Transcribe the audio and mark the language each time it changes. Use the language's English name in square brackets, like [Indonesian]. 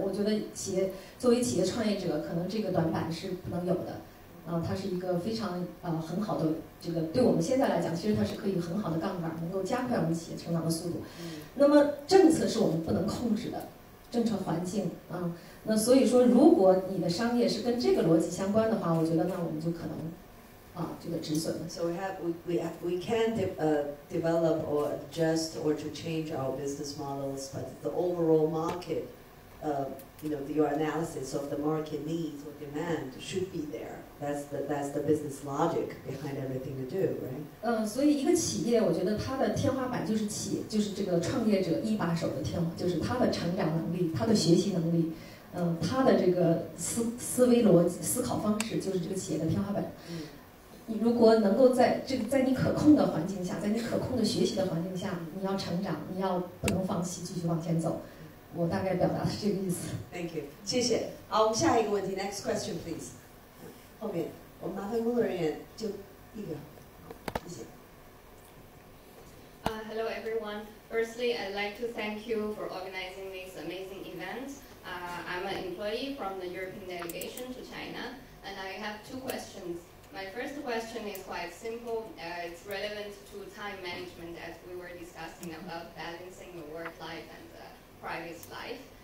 [Chinese] 我觉得企业作为企业创业者，可能这个短板是不能有的啊，它是一个非常很好的这个，对我们现在来讲，其实它是可以很好的杠杆，能够加快我们企业成长的速度。那么政策是我们不能控制的，政策环境啊，那所以说，如果你的商业是跟这个逻辑相关的话，我觉得那我们就可能啊，这个止损了。 [English] So we can develop or adjust or to change our business models, but the overall market, you know, your analysis of the market needs or demand should be there. That's the business logic behind everything to do, right? [Chinese] 所以一个企业，我觉得它的天花板就是企，就是这个创业者一把手的天花，就是他的成长能力，他的学习能力，他的这个思维逻辑、思考方式，就是这个企业的天花板。你如果能够在这个在你可控的环境下，在你可控的学习的环境下，你要成长，你要不能放弃，继续往前走。我大概表达的是这个意思。 [English] Thank you， [Chinese] 谢谢。好，我们下一个问题 ， [English] Next question please。 [Chinese] 后面，我们麻烦工作人员就一个，谢谢。 [English] Hello everyone. Firstly, I'd like to thank you for organizing this amazing event. I'm an employee from the European delegation to China, and I have two questions. My first question is quite simple. It's relevant to time management as we were discussing about balancing the work life and the private life.